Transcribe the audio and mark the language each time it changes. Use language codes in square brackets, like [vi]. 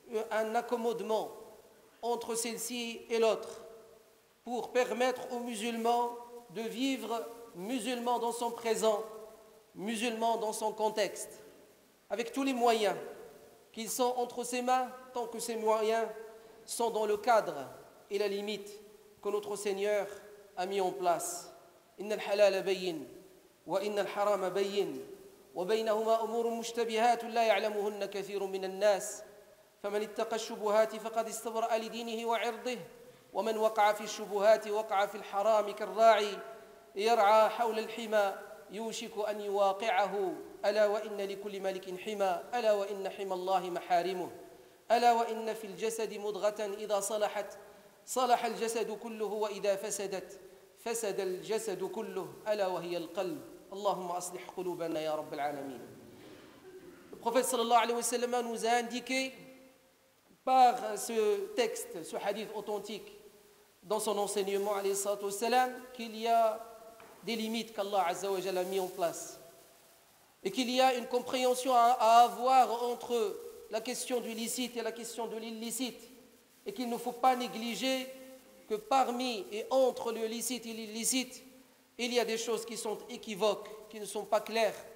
[fr] un accommodement entre celle-ci et l'autre pour permettre aux musulmans de vivre musulmans dans son présent, musulmans dans son contexte, avec tous les moyens qu'ils sont entre ses mains, tant que ces moyens sont dans le cadre et la limite que notre Seigneur a mis en place. [ar] Inna al-halal bayyin wa inna al-haram bayyin wa baynahuma umurun mushtabihatun la ya'lamuhunna kathirun minan nas فمن اتقى الشبهات فقد استبرأ لدينه وعرضه ومن وقع في الشبهات وقع في الحرام كالراعي يرعى حول الحمى يوشك أن يواقعه ألا وإن لكل ملك حمى ألا وإن حمى الله محارمه ألا وإن في الجسد مضغة إذا صلحت صلح الجسد كله وإذا فسدت فسد الجسد كله ألا وهي القلب اللهم أصلح قلوبنا يا رب العالمين. النبي صلى الله عليه وسلم [fr] nous a indiqué par ce texte, ce hadith authentique, dans son enseignement, [ar] alayhi salatu wa salam, [fr] qu'il y a des limites qu'Allah azza wa jalla a mis en place, et qu'il y a une compréhension à avoir entre la question du licite et la question de l'illicite, et qu'il ne faut pas négliger que parmi et entre le licite et l'illicite, il y a des choses qui sont équivoques, qui ne sont pas claires.